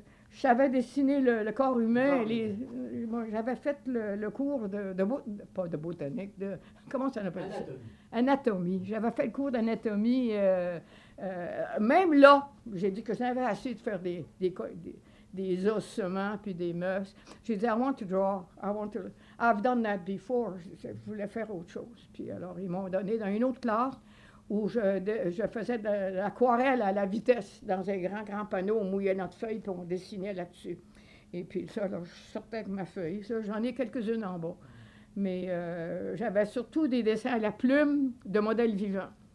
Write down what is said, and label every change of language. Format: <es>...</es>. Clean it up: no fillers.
<fr>Je savais dessiner le corps humain. J'avais fait le cours de botanique, de... Comment ça s'appelle ça? Anatomie. J'avais fait le cours d'anatomie. Même là, j'ai dit que j'en avais assez de faire des ossements puis des mœurs. J'ai dit,</fr> <en>I've done that before.</en> <fr>Je voulais faire autre chose. Puis alors, ils m'ont donné dans une autre classe où je faisais de l'aquarelle à la vitesse dans un grand, grand panneau. On mouillait notre feuille puis on dessinait là-dessus. Et puis ça, là, je sortais avec ma feuille. Ça, j'en ai quelques-unes en bas. Mais j'avais surtout des dessins à la plume de modèles vivants.</fr>